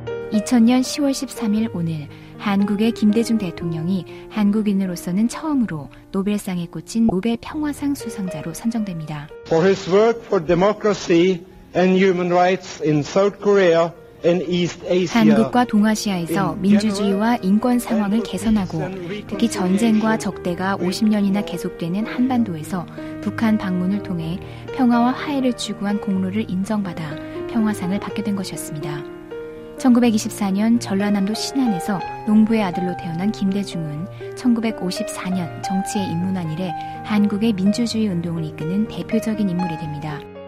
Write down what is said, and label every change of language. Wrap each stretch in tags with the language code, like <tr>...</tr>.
<ko>2000년 10월 13일 오늘, 한국의 김대중 대통령이 한국인으로서는 처음으로 노벨상에 꽂힌 노벨 평화상 수상자로 선정됩니다.</ko> <en>For his work for democracy and human rights in South Korea and East Asia.</en> <ko>한국과 동아시아에서 민주주의와 인권 상황을 개선하고 특히 전쟁과 적대가 50년이나 계속되는 한반도에서 북한 방문을 통해 평화와 화해를 추구한 공로를 인정받아 평화상을 받게 된 것이었습니다. 1924년 전라남도 신안에서 농부의 아들로 태어난 김대중은 1954년 정치에 입문한 이래 한국의 민주주의 운동을 이끄는 대표적인 인물이 됩니다.</ko>